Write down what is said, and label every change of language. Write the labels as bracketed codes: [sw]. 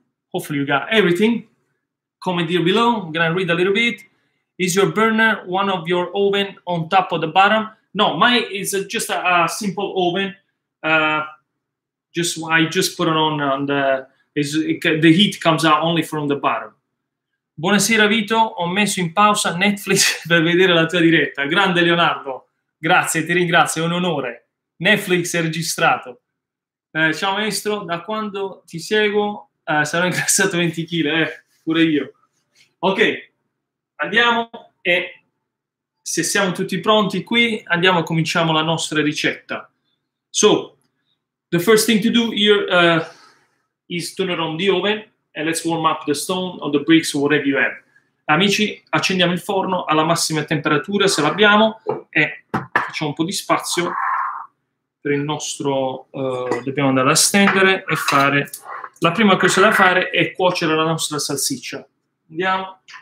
[en] Hopefully you got everything. Comment here below. I'm gonna read a little bit. Is your burner one of your oven on top or the bottom? No, mine is just a simple oven. I just put it on the, is it, the heat comes out only from the bottom. [it] Buonasera Vito, ho messo in pausa Netflix per vedere la tua diretta. Grande Leonardo, grazie, ti ringrazio, è un onore. Netflix è registrato. Ciao maestro, da quando ti seguo sarò ingrassato 20 kg, pure io. Ok. Andiamo e se siamo tutti pronti qui, andiamo e cominciamo la nostra ricetta. [en] So, the first thing to do here is turn on the oven and let's warm up the stone or the bricks, whatever you have. [it] Amici, accendiamo il forno alla massima temperatura, se l'abbiamo, e facciamo un po' di spazio per il nostro... dobbiamo andare a stendere e fare... La prima cosa da fare è cuocere la nostra salsiccia. Andiamo.